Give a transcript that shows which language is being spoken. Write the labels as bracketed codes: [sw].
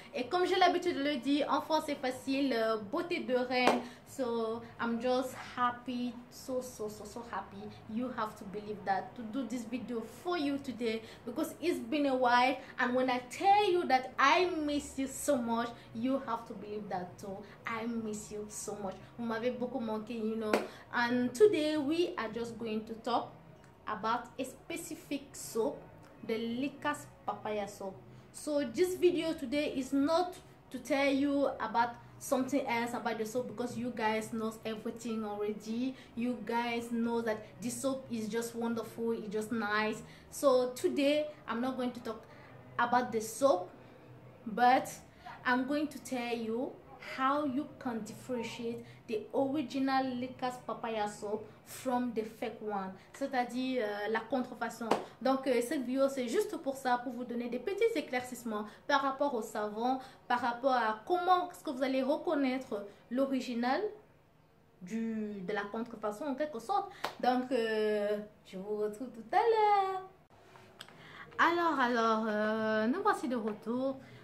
[fr] Et comme j'ai l'habitude de le dire, en France c'est facile, beauté de reine. [en] So, I'm just happy, so happy. You have to believe that to do this video for you today because it's been a while. And when I tell you that I miss you so much, you have to believe that too. I miss you so much. [fr] Vous m'avez beaucoup manqué, [en] you know. And today we are just going to talk about a specific soap, the Lika's papaya soap. So this video today is not to tell you about something else about the soap, because you guys know everything already. You guys know that this soap is just wonderful, it's just nice. So today I'm not going to talk about the soap, but I'm going to tell you how you can differentiate the original Lika's papaya soap from the fake one, [fr] c'est-à-dire la contrefaçon. Donc cette vidéo c'est juste pour ça, pour vous donner des petits éclaircissements par rapport au savon, par rapport à comment est-ce que vous allez reconnaître l'original de la contrefaçon en quelque sorte. Donc je vous retrouve tout à l'heure. Alors, nous voici de retour.